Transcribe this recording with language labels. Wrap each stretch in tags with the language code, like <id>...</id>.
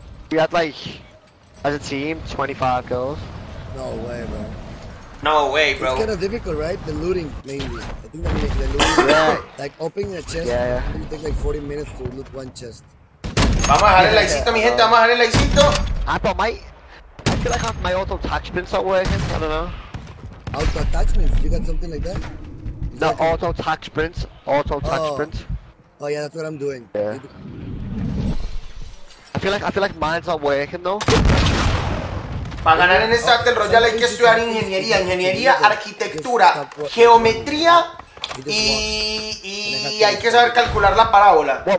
<en>We had like, as a team, 25 kills. No way, bro. No way, bro. It's kind of difficult, right? The looting, mainly. I think that means the looting, right? Like opening a chest, it takes like 40 minutes to loot one chest.</en> <es>Vamos a dejar el likecito, mi gente, vamos a dejar el likecito.</es> <en>I feel like my auto attachments are working, I don't know. Auto attachments? You got something like that? No, auto attachments. Oh yeah, that's what I'm doing. Yeah. I feel like mine's not working though.</en> <es>Para ganar en este Battle Royale hay que estudiar ingeniería, arquitectura, geometría y hay que saber calcular la parábola.</es>